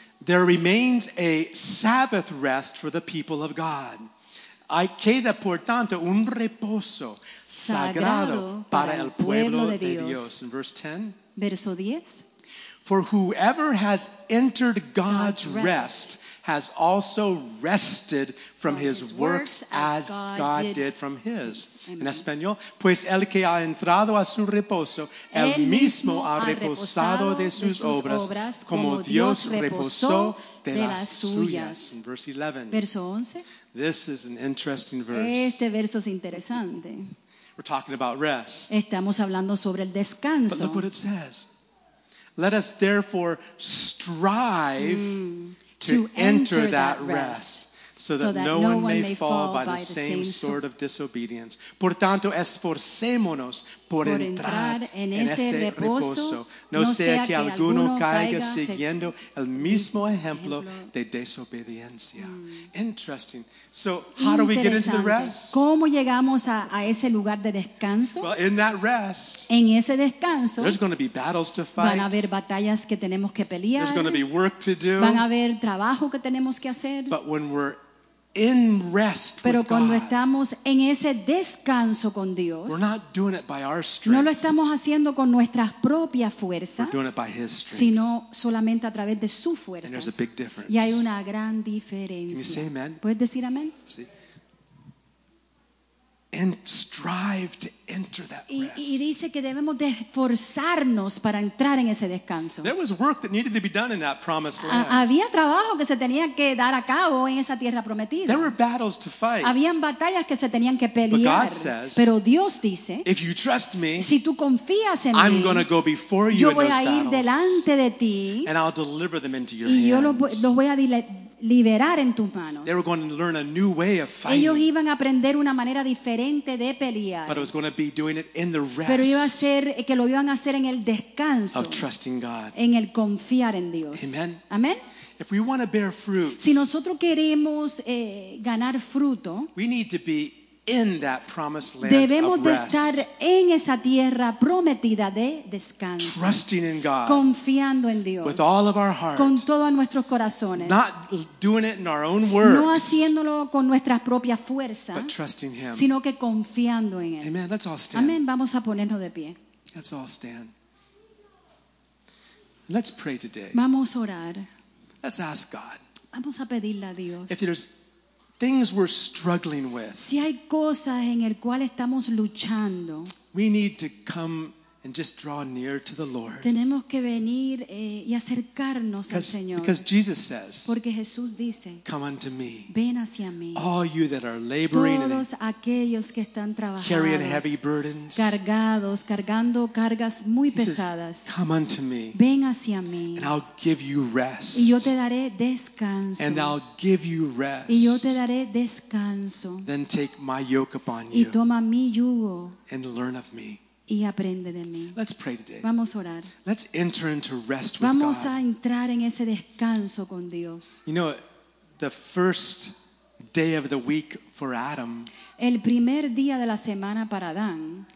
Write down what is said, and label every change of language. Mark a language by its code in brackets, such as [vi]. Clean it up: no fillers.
[en] There remains a Sabbath rest for the people of God. [es] Hay queda por tanto un reposo sagrado para el pueblo de Dios. [en] Dios. In verse 10. [es] Verso 10. [en] For whoever has entered God's rest has also rested from his works as God did from his. Amen. [es] En español, pues el que ha entrado a su reposo, el mismo ha reposado de sus obras, como Dios reposó de las suyas. [en] In verse 11. [es] Verso 11. [en] This is an interesting verse. [es] Este verso es interesante. [en] We're talking about rest. [es] Estamos hablando sobre el descanso. [en] But look what it says. Let us therefore strive to enter that rest, so that no one may fall by the same sort of disobedience. [es] Por tanto, esforcémonos por entrar en ese reposo, no sea que alguno caiga siguiendo el mismo ejemplo de desobediencia. [en] Interesting. So, how do we get into the rest? [es] ¿Cómo llegamos a ese lugar de descanso? [en] Well, in that rest, [es] en ese descanso, [en] there's going to be battles to fight. [es] Van a haber batallas que tenemos que pelear. [en] There's going to be work to do. [es] Van a haber trabajo que tenemos que hacer. [en] But when we're in rest [es] pero [en] with [es] cuando [en] God, [es] estamos en ese descanso con Dios, [en] we're not doing it by our strength. [es] No lo estamos haciendo con nuestras propias fuerzas. [en] We're doing it by his strength. [es] Sino solamente a través de su fuerza. [en] And there's a big difference. [es] Y hay una gran diferencia. [en] Can you say amen? [es] ¿Puedes decir amén? Sí. [en] And strive to enter that rest. [es] Y dice que debemos de esforzarnos para entrar en ese descanso. [en] There was work that needed to be done in that promised land. [es] Había trabajo que se tenía que dar a cabo en esa tierra prometida. [en] There were battles to fight. [es] Habían batallas que se tenían que pelear. [en] But God says, [es] pero Dios dice, [en] if you trust me, [es] si tú confías en [en] I'm [es] mí, [en] gonna go before you [es] yo voy [en] in those [es] a ir [en] battles, [es] delante de ti, [en] and I'll deliver them into your [es] y [en] hands. [es] Yo los voy a liberar en tus manos. [en] They were going to learn a new way of fighting. [es] Ellos iban a aprender una manera diferente de pelear. [en] But it was going to be doing it in the rest. [es] Pero iba a ser que lo iban a hacer en el descanso. [en] Of trusting God. [es] En el confiar en Dios. [en] Amen. [es] Amen. [en] If we want to bear fruit, [es] si nosotros queremos ganar fruto, [en] we need to be in that promised land [es] debemos [en] of rest, [es] de estar en esa tierra prometida de descanso, [en] trusting in God, [es] confiando en Dios, [en] with all of our heart, [es] con todos nuestros corazones, [en] not doing it in our own works, [es] no haciéndolo con nuestras propias fuerzas, [en] but trusting him, [es] sino que confiando en él. [en] Amen. Let's all stand. [es] Amen. Vamos a ponernos de pie. [en] Let's all stand. Let's pray today. [es] Vamos a orar. [en] Let's ask God. [es] Vamos a pedirle a Dios. [en] If there's things we're struggling with, [es] si hay cosas en el cual estamos luchando, [en] we need to come and just draw near to the Lord. [es] Tenemos que venir y acercarnos al Señor. [en] Because Jesus says, [es] porque Jesús dice, [en] come unto me, [es] ven hacia mí, [en] all you that are laboring, [es] todos aquellos que están trabajados, [en] carrying heavy burdens, [es] cargados, cargando cargas muy pesadas, [en] says, come unto me, [es] ven hacia mí, [en] and I'll give you rest, [es] y yo te daré descanso, [en] and I'll give you rest, [es] y yo te daré descanso, [en] then take my yoke upon you, [es] y toma mi yugo, [en] and learn of me, [es] y aprende de mí. [en] Let's pray today. [es] Vamos a orar. [en] Let's enter into rest with [es] vamos [en] God. [es] A entrar en ese descanso con Dios. [en] You know, the first day of the week for Adam, [es] el primer día de la semana para Adán,